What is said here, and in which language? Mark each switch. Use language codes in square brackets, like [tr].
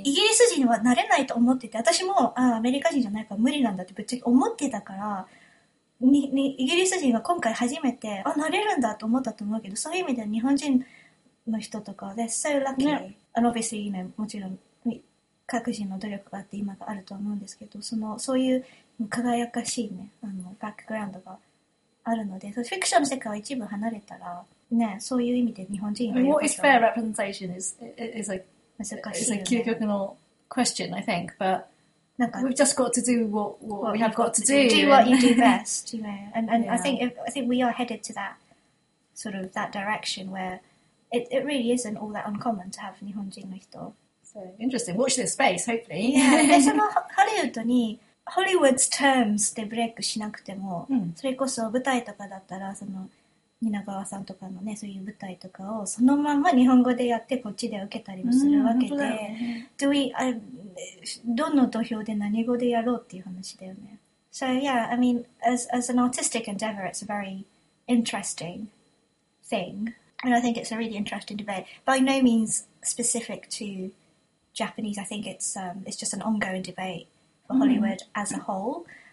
[ja] イギリス人はなれないと思ってて、私も、あ、アメリカ人じゃないから無理なんだってぶっちゃけ思ってたから、にイギリス人は今回初めて、あ、なれるんだと思ったと思うけど、そういう意味では日本人の人とか、 [en] they're so lucky.、 [ja] ね、 [en] And obviously, [ja] ね、もちろん、各人の努力があって今があると思うんですけど、そういう、輝かしいね、あのバックグラウンドがあるので、フィクションの世界を一部離れたらね、そういう意味で日本人 [en] は What is fair representation is like, [ja] 難しいよね、 [en] it's a 究極の question, I think, but なんか we've just got to do what we have got to do. Do what you do best, you know. And yeah. I think we are headed to that sort of that direction where it really isn't all that uncommon to have [ja] 日本人の人。 [en] So interesting, watch this space, hopefully. [ja] Yeah, そのハリウッドにHollywood's terms でブレイクしなくても、それこそ舞台とかだったら、その、蜷川さんとかのね、そういう舞台とかをそのまま日本語でやってこっちで受けたりもするわけで、どの土俵で何語でやろうっていう話だよね。 [en] So yeah, I mean, as an artistic endeavor, it's a very interesting thing. And I think it's a really interesting debate. By no means specific to J Japanese, I think it's just an ongoing debate for Hollywood as a whole.